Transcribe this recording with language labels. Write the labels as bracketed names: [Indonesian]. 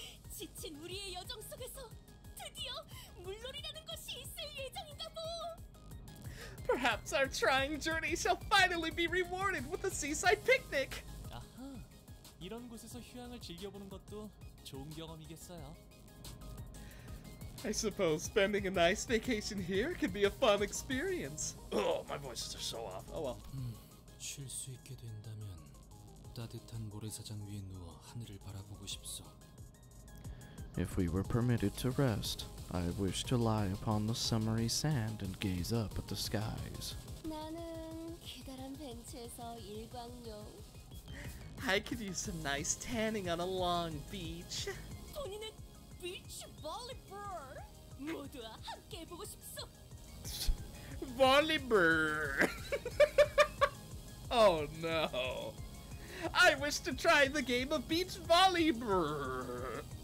[Korean] 지친 우리의 여정 속에서 드디어 물놀이라는 것이 있을 예정인가보! [English] Perhaps our trying journey shall finally be rewarded with a seaside picnic! [Korean] 아하, 이런 곳에서 휴양을 즐겨보는 것도 좋은 경험이겠어요. [English] I suppose spending a nice vacation here could be a fun experience. Oh, my voice is so off. Oh well. [Korean] 쉴 수 있게 된다면 따뜻한 모래사장 위에 누워 하늘을 바라보고 싶소. [English] If we were permitted to rest, I wish to lie upon the summery sand and gaze up at the skies. [Korean] 나는 기다란 벤치에서 일광욕. [English] I could use some nice tanning on a long beach. [Korean] 본인은 비치 볼리버! 모두와 함께 보고 싶소! [English] 볼리버! Oh no! I wish to try the game of beach volleyball!